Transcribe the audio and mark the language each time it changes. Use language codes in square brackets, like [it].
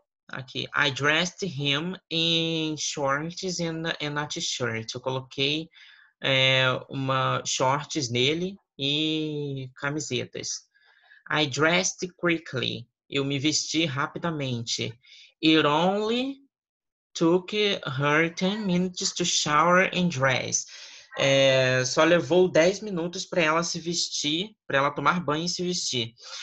[en] Aqui, I dressed him in shorts and a t-shirt. [pt] Eu coloquei uma shorts nele e camisetas. [en] I dressed quickly. [pt] Eu me vesti rapidamente. [en] It only took her 10 minutes to shower and dress. [pt] Só levou 10 minutos para ela se vestir, para ela tomar banho e se vestir.